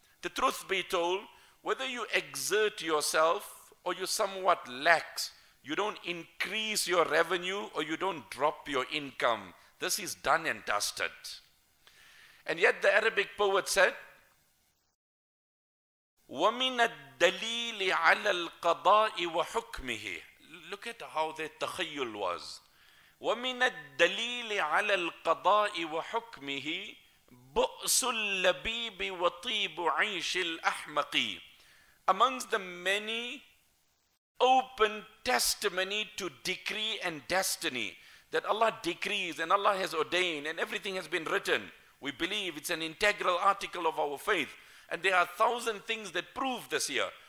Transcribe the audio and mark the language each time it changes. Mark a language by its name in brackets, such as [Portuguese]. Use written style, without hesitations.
[English] The truth be told, whether you exert yourself or you somewhat lax, you don't increase your revenue or you don't drop your income. This is done and dusted. And yet the Arabic poet said, [Arabic] وَمِنَ الدَّلِيلِ عَلَى الْقَضَاءِ وَحُكْمِهِ. [English] Look at how their takhayyul was. [Arabic] ومن الدليل على القضاء وحكمه بؤس اللبيب وطيب عيش الأحمق. [English] Amongst the many open testimony to decree and destiny that Allah decrees and Allah has ordained and everything has been written. We believe it's an integral article of our faith. And there are a thousand things that prove this here.